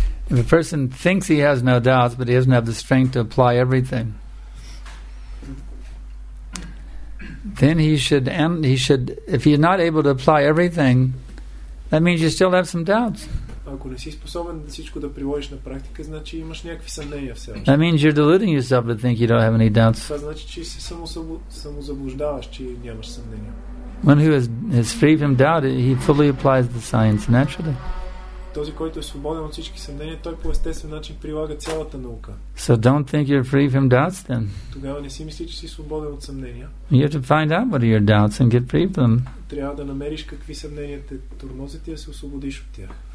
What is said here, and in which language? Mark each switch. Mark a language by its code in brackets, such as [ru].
[en] If a person thinks he has no doubts, but he doesn't have the strength to apply everything, then he should, if he's not able to apply everything, that means you still have some doubts. [bg] Ако не си способен да всичко да приложиш на практика, значи имаш някакви съмнения все още. [en] That means you're deluding yourself to think you don't have any doubts. [bg] Това значи, че се самозаблуждаваш, че нямаш съмнения. [en] One who is free from doubt, he fully applies the science naturally. [bg] Този, който е свободен от всички съмнения, той по естествен начин прилага цялата наука. [en] So don't think you're free from doubts then. [bg] Тогава не си мисли, че си свободен от съмнения. [en] You have to find out what are your doubts and get free from them. [bg] Трябва да намериш какви съмнения те тормозят и да се освободиш от тях.